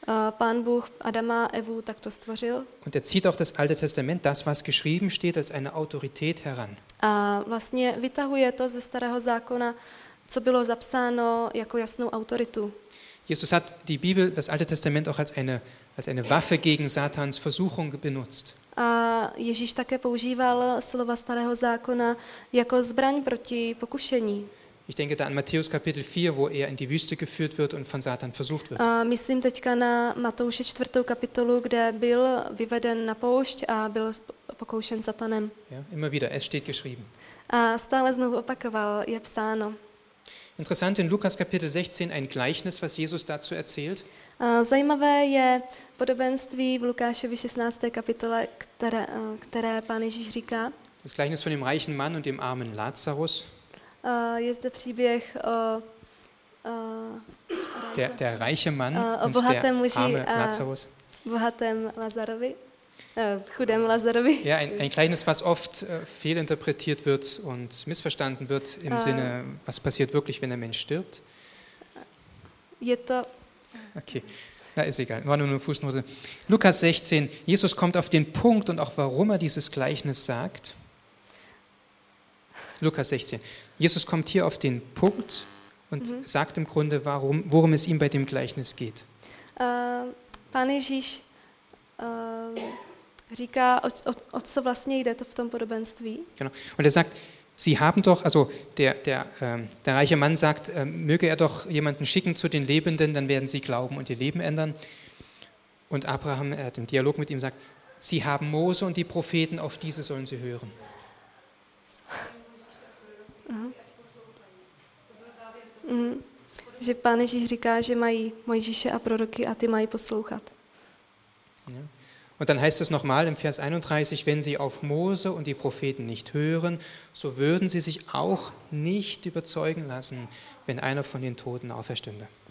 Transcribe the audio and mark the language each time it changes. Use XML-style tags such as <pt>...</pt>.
<cs>Pán Bůh Adama a Evu takto stvořil.</cs> <de>Und er zieht auch das Alte Testament, das was geschrieben steht, als eine Autorität heran.</de> <cs>A vlastně vytahuje to ze starého zákona, co bylo zapsáno jako jasnou autoritu.</cs> <de>Jesus hat die Bibel, das Alte Testament auch als eine Waffe gegen Satans Versuchung benutzt.</de> <cs>A Ježíš také používal slova starého zákona jako zbraň proti pokušení.</cs> <de>Ich denke da an Matthäus Kapitel 4, wo er in die Wüste geführt wird und von Satan versucht wird.</de> <cs>A myslím teďka na Matouše 4. kapitolu, kde byl vyveden na poušť a byl pokoušen Satanem.</cs> <de>Ja, immer wieder, es steht geschrieben.</de> <cs>A stále znovu opakoval, je psáno.</cs> <de>Interessant in Lukas Kapitel 16 ein Gleichnis, was Jesus dazu erzählt.</de> <cs>Zajímavé je podobenství v Lukášovi 16. kapitole, které Pán Ježíš říká.</cs> <de>Das Gleichnis von dem reichen Mann und dem armen Lazarus.</de> <cs>Je zde příběh o</cs> <de>der reiche Mann und der arme Lazarus.</de> <cs>Bohatém Lazarovi. Chudém Lazarovi.</cs> <de>Ja, ein Gleichnis, was oft fehlinterpretiert wird und missverstanden wird im Sinne, was passiert wirklich, wenn ein Mensch stirbt?</de> <cs>Je to...</cs> <de>Okay, na ist egal, war nur eine Fußnote. Lukas 16, Jesus kommt auf den Punkt und auch warum er dieses Gleichnis sagt. Lukas 16, Jesus kommt hier auf den Punkt und sagt im Grunde, worum es ihm bei dem Gleichnis geht.</de> <cs>Pane Ježíš, říká, o co vlastně jde to v tom podobenství.</cs> <de>Genau. Und er sagt, sie haben doch, also der reiche Mann sagt, möge er doch jemanden schicken zu den Lebenden, dann werden sie glauben und ihr Leben ändern. Und Abraham, er hat im Dialog mit ihm, sagt, sie haben Mose und die Propheten, auf diese sollen sie hören. Mhm.</de> <cs>že Pán Ježíš říká, že mají Mojžíše a proroky a ty mají poslouchat.</cs> <de>Ja. Und dann heißt es nochmal im Vers 31, wenn sie auf Mose und die Propheten nicht hören, so würden sie sich auch nicht überzeugen lassen, wenn einer von den Toten auferstünde.</de>